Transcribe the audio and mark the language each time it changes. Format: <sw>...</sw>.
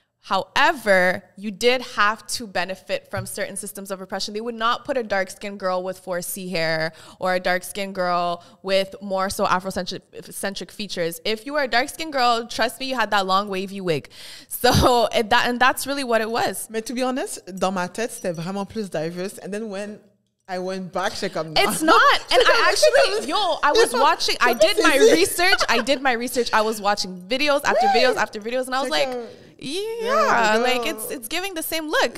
<en>However, you did have to benefit from certain systems of oppression. They would not put a dark skin girl with 4C hair or a dark skin girl with more so Afrocentric features. If you were a dark skin girl, trust me, you had that long wavy wig. So that's really what it was.</en> <fr>Mais</fr> <en>to be honest,</en> <fr>dans ma tête, c'était vraiment plus diverse.</fr> <en>And then when I went back, check on it's not. And I actually, yo, I was watching, I did my research. I was watching videos after videos after videos. And I was like, yeah, like it's giving the same look.</en>